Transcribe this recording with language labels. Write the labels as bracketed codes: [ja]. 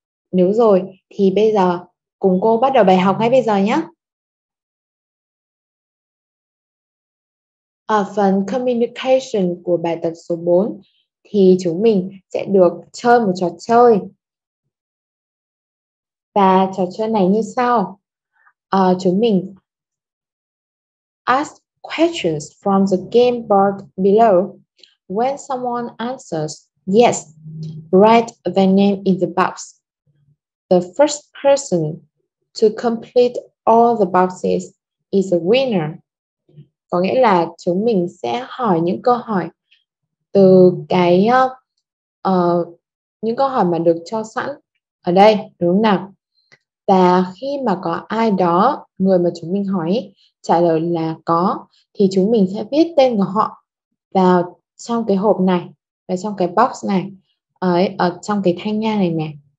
[vi] Nếu rồi thì bây giờ cùng cô bắt đầu bài học ngay bây giờ nhé. Ở phần communication của bài tập số 4 thì chúng mình sẽ được chơi một trò chơi. Và trò chơi này như sau. Chúng mình [en] ask questions from the game board below. When someone answers yes, write their name in the box. The first person to complete all the boxes is the winner. [vi] Có nghĩa là chúng mình sẽ hỏi những câu hỏi từ cái những câu hỏi mà được cho sẵn ở đây, đúng không nào? Và khi mà có ai đó, người mà chúng mình hỏi trả lời là có, thì chúng mình sẽ viết tên của họ vào trong cái hộp này, và trong cái box này, ở trong cái thanh nha này nè.